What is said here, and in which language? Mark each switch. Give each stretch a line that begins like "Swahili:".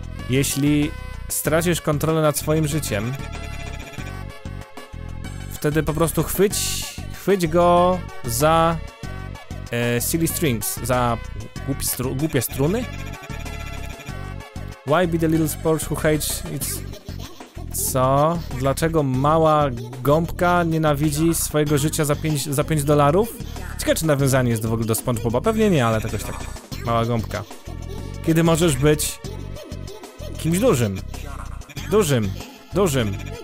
Polish: Jeśli stracisz kontrolę nad swoim życiem, wtedy po prostu chwyć go za
English: silly strings,
Polish: za głupie struny.
English: Why be the little sponge who hates its...
Polish: Co? Dlaczego mała gąbka nienawidzi swojego życia za 5 dolarów? Ciekawe, czy nawiązanie jest w ogóle do SpongeBoba. Pewnie nie, ale jakoś tak. Mała gąbka. Kiedy możesz być kimś dużym? Dużym.